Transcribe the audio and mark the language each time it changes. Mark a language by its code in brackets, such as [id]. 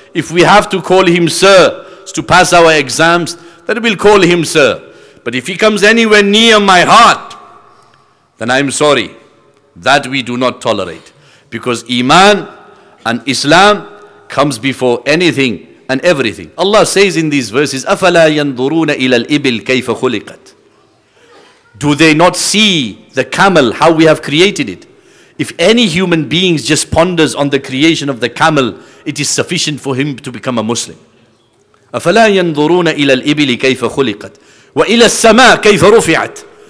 [en] If we have to call him sir to pass our exams, then we'll call him sir. But if he comes anywhere near my heart, then I'm sorry. That we do not tolerate. Because Iman and Islam comes before anything and everything. Allah says in these verses, [ar] أَفَلَا يَنْظُرُونَ إِلَى الْإِبِلْ كَيْفَ خُلِقَتْ. [en] Do they not see the camel, how we have created it? If any human being just ponders on the creation of the camel, it is sufficient for him to become a Muslim. [ar] أَفَلَا يَنْظُرُونَ إِلَى الْإِبِلِ كَيْفَ خُلِقَتْ وَإِلَى السَّمَاءِ كَيْفَ رُفِعَتْ.